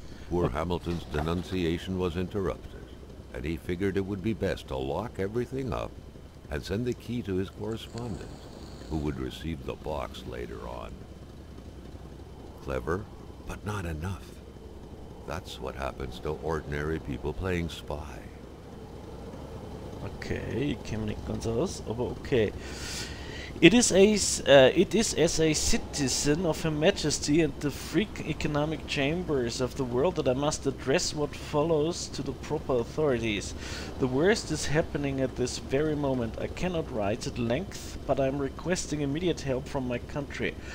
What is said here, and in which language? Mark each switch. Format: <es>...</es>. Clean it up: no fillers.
<en>Poor Hamilton's denunciation was interrupted, and he figured it would be best to lock everything up and send the key to his correspondent, who would receive the box later on. Clever, but not enough. That's what happens to ordinary people playing spy.</en> <de>Okay, ich komme nicht ganz aus, aber okay.</de> <en>It is as a citizen of Her Majesty and the free economic chambers of the world that I must address what follows to the proper authorities. The worst is happening at this very moment. I cannot write at length, but I am requesting immediate help from my country.</en>